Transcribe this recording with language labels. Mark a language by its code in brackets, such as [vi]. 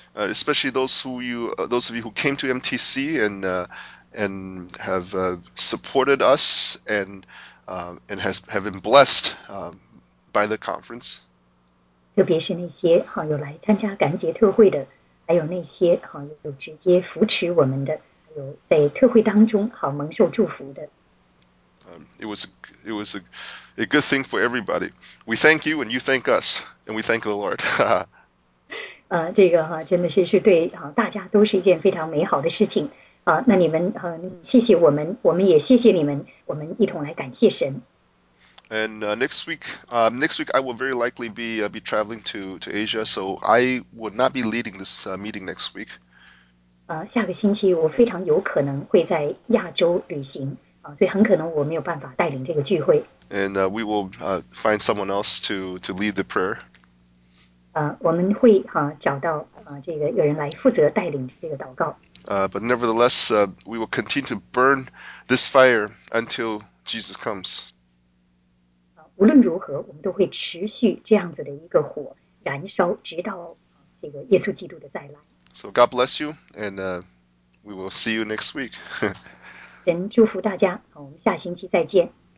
[en] Especially those of you who came to MTC and have supported us and have been blessed by the conference. [zh] 特别是那些有来参加感恩节特会的，还有那些有直接扶持我们的，还有在特会当中蒙受祝福的。 [en] It was a good thing for everybody. We thank you, and you thank us, and we thank the Lord. [zh] 这个真的是对大家都是一件非常美好的事情那你们谢谢我们，我们也谢谢你们，我们一同来感谢神。 [en] And next week I will very likely be traveling to Asia, so I will not be leading this meeting next week. [zh] 下个星期我非常有可能会在亚洲旅行。所以很可能我没有办法带领这个聚会。 [en] And we will find someone else to lead the prayer. [zh] 我们会找到这个有人来负责带领这个祷告。 [en] But nevertheless, we will continue to burn this fire until Jesus comes. [zh] 无论如何，我们都会持续这样子的一个火燃烧，直到这个耶稣基督的再来。 [en] So God bless you, and we will see you next week. [zh] 神祝福大家，我们下星期再见。